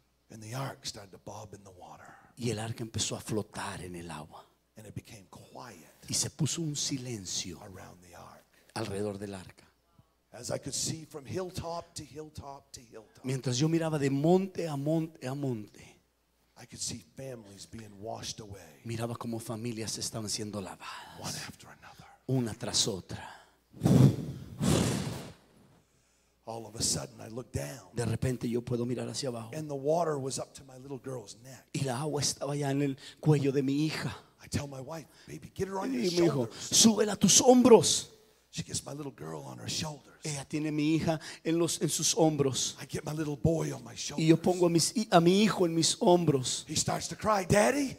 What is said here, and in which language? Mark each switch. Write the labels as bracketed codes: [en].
[en] And the ark started to bob in the water. [es] Y el arca empezó a flotar en el agua. [en] And it became quiet. [es] Y se puso un silencio [en] around the ark. [es] Alrededor del arca. [en] As I could see from hilltop to hilltop to hilltop. [es] Mientras yo miraba de monte a monte a monte. [en] I could see families being washed away. [es] Miraba cómo familias estaban siendo lavadas. [en] One after another. [es] Una tras otra. [en] All of a sudden, I looked down. [es] De repente, yo puedo mirar hacia abajo. [en] And the water was up to my little girl's neck. [es] Y la agua estaba ya en el cuello de mi hija. [en] I tell my wife, "Baby, get her on [es] y [en] your [es] mi [en] shoulders." [es] Hijo, súbela a tus hombros. [en] She gets my little girl on her shoulders. [es] Ella tiene mi hija en sus hombros. [en] I get my little boy on my shoulders. [es] Y yo pongo a mi hijo en mis hombros. [en] He starts to cry, "Daddy."